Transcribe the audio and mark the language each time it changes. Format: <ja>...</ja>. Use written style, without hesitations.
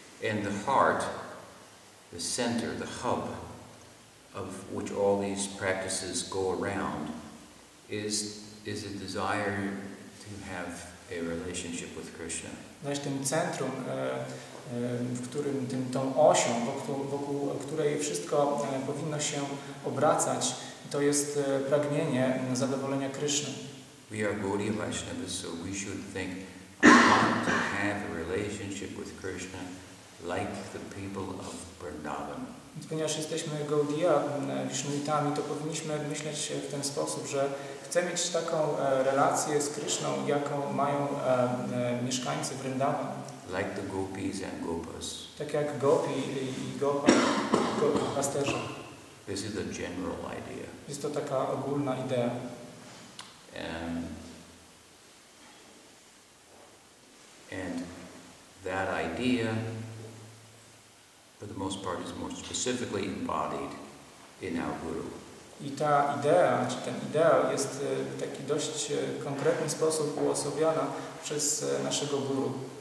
<en>And the heart, the center, the hub of which all these practices go around is a desire to have a relationship with Krishna.</en> <pl>Znaczy tym centrum, w którym, tą osią, wokół której wszystko powinno się obracać, to jest pragnienie zadowolenia Krishna.</pl> <en>We are Gaudiya Vaishnavas, so we should think, I want to have a relationship with Krishna like the people of Vrindavan.</en> <pl>Ponieważ jesteśmy Gaudiya Vaishnavitami, to powinniśmy myśleć w ten sposób, że chcę mieć taką relację z Krishną, jaką mają mieszkańcy Vrindavan.</pl> <en>Like the gopis and gopas.</en> <pl>Tak jak gopi i gopa, pasterze.</pl> <en>This is a general idea.</en> <pl>Jest to taka ogólna idea.</pl> <en>And that idea, for the most part, is more specifically embodied in our guru.</en> <pl>I ta idea, czy ten ideal, jest w taki dość konkretny sposób uosobiona przez naszego guru.</pl>